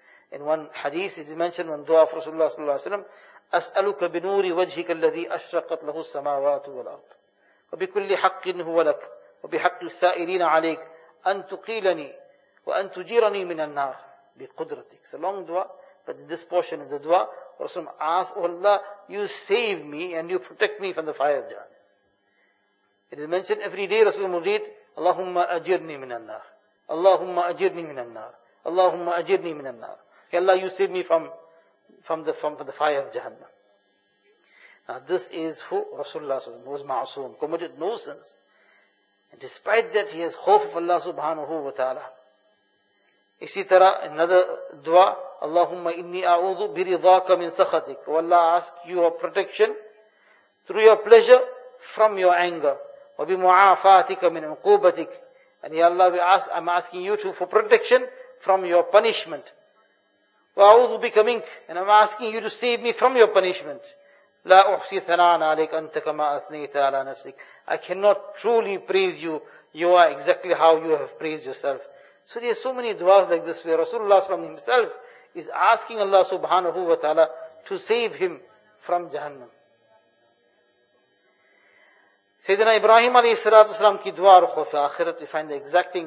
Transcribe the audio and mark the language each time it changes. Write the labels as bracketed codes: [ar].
[en] In one hadith, it is mentioned one du'a of Rasulullah sallallahu alayhi wa sallam, [ar] أَسْأَلُكَ بِنُورِ وَجْهِكَ الَّذِي أَشْرَقَتْ لَهُ السَّمَاوَاتُ وَالْأَرْضُ وَبِكُلِّ حَقٍّ هُوَ لَكَ وَبِحَقِّ السَّائِلِينَ عَلَيْكَ أَن تُقِيلَنِي وَأَن تُجِيرَنِي مِنَ النَّارِ بِقُدْرَتِكَ. [en] It's a long du'a, but in this portion of the du'a, Rasulullah asks, oh Allah, you save me and you protect me from the fire of Jahannam. It is mentioned every day Rasulullah will read, [ar] اللهم أجرني من النار اللهم أجرني من النار اللهم أجرني من النار. [en] Hey Allah, you save me from the fire of Jahannam. Now this is who? Rasulullah who was ma'asoom, committed no sins. And despite that, he has khawf of Allah subhanahu wa ta'ala. [ur] اسی طرح [en] another [ar] دعا، اللهم اني اعوذ برضاك من سخطك. [en] Oh Allah, ask your protection through your pleasure from your anger. [ar] وبمعافاتك من عقوبتك. [en] And ya Allah, I'm asking you for protection from your punishment. [ar] واعوذ بك منك. [en] And I'm asking you to save me from your punishment. [ar] لا احصي ثناء عليك انت كما اثنيت على نفسك. [en] I cannot truly praise you. You are exactly how you have praised yourself. So there are so many du'as like this where Rasulullah himself is asking Allah subhanahu wa ta'ala to save him from Jahannam. Sayyidina Ibrahim alayhi salatu wasalam [ur] ki du'a aur khawf akhirat, [en] we find the exact thing.